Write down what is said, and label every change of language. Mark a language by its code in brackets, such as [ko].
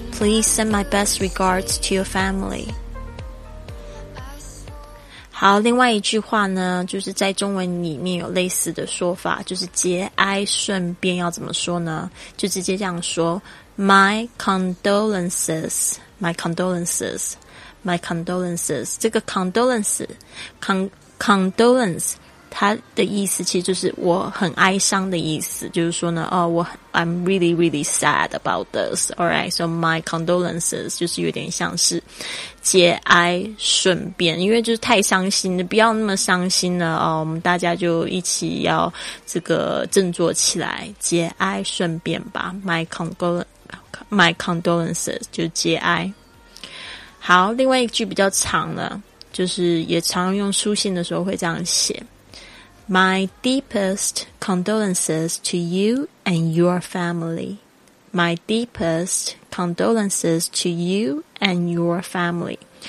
[en] Please send my best regards to your family. [zh] 好，另外一句话呢，就是在中文里面有类似的说法，就是节哀顺变要怎么说呢？就直接这样说 [en] My condolences. [zh] 这个 condolence 它的意思其实就是我很哀伤的意思，就是说呢，哦，我很 [en] I'm really, really sad about this. Alright, so my condolences [zh] 就是有点像是节哀顺变，因为就是太伤心了，不要那么伤心了哦。我们大家就一起要这个振作起来，节哀顺变吧。 [en] My condolences [zh] 就是节哀。好，另外一句比较长的，就是也常用书信的时候会这样写。 [en] My deepest condolences to you and your family. My deepest condolences to you and your family.